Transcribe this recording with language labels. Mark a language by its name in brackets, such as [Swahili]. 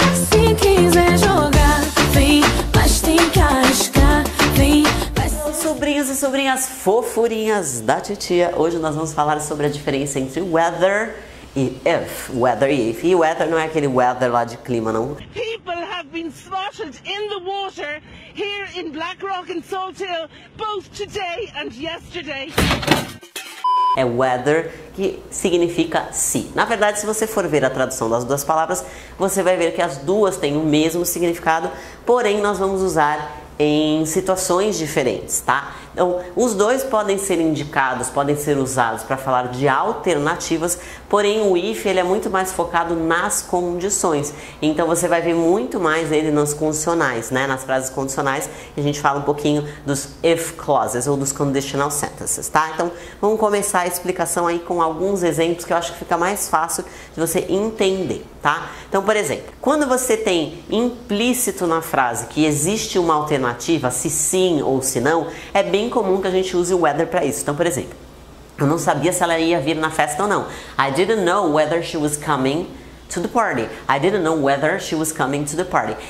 [Portuguese] Se quiser jogar, vem, mas tem casca, vem. Sobrinhos e sobrinhas fofurinhas da titia, hoje nós vamos falar sobre a diferença entre whether e if. Whether e if. E whether não é aquele weather lá de clima, não. [English] People have been spotted in the water here in Black Rock and Salt Hill, both today and yesterday. [Portuguese] É weather, que significa se. Na verdade, se você for ver a tradução das duas palavras, você vai ver que as duas têm o mesmo significado, porém nós vamos usar em situações diferentes, tá? Então, os dois podem ser indicados, podem ser usados para falar de alternativas, porém o if ele é muito mais focado nas condições. Então você vai ver muito mais ele nos condicionais, né? Nas frases condicionais, e a gente fala um pouquinho dos if clauses ou dos conditional sentences, tá? Então, vamos começar a explicação aí com alguns exemplos que eu acho que fica mais fácil de você entender, tá? Então, por exemplo, quando você tem implícito na frase que existe uma alternativa, se sim ou se não, é bem comum que a gente use o whether para isso. Então, por exemplo, eu não sabia se ela ia vir na festa ou não. [English] I didn't know whether she was coming to the party. I didn't know whether she was coming to the party.